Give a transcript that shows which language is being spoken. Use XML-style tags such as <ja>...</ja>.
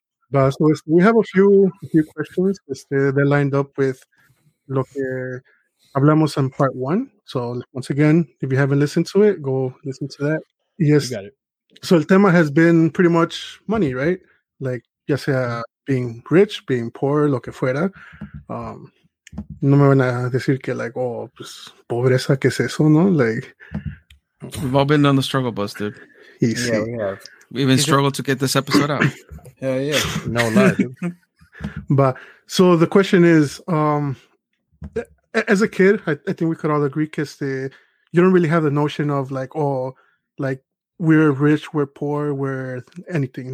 <en>But so we have a few questions they're lined up with lo que hablamos en part one. So once again, if you haven't listened to it, go listen to that. Yes. You got it. So el tema has been pretty much money, right? Like, ya sea being rich, being poor, lo que fuera.</en> <es>No me van a decir que like, oh, pues, pobreza, ¿qué es eso, no?</es> <en>Like, we've all been on the struggle bus, dude. Yeah, we have. We even struggled to get this episode out. Yeah. No lie. But, so the question is, as a kid, I think we could all agree, you don't really have the notion of like, oh, like we're rich, we're poor, we're anything.</en>